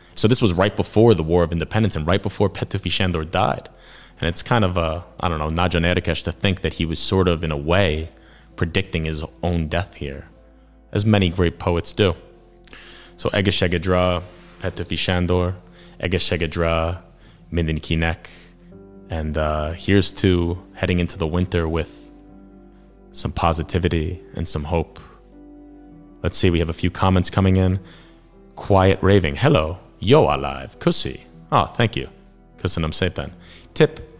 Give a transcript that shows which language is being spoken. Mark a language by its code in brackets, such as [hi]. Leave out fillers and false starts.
[en] So this was right before the War of Independence and right before Petőfi Sándor died. And it's kind of, nagyon érdekes to think that he was sort of, in a way, predicting his own death here, as many great poets do. [hu] So egészségedre, Petőfi Sándor, egészségedre, mindenkinek. [en] And here's to heading into the winter with some positivity and some hope. Let's see, we have a few comments coming in. Quiet Raving. Hello. Yo alive. Kussi. Oh, thank you. Kussanam sepan. Tip.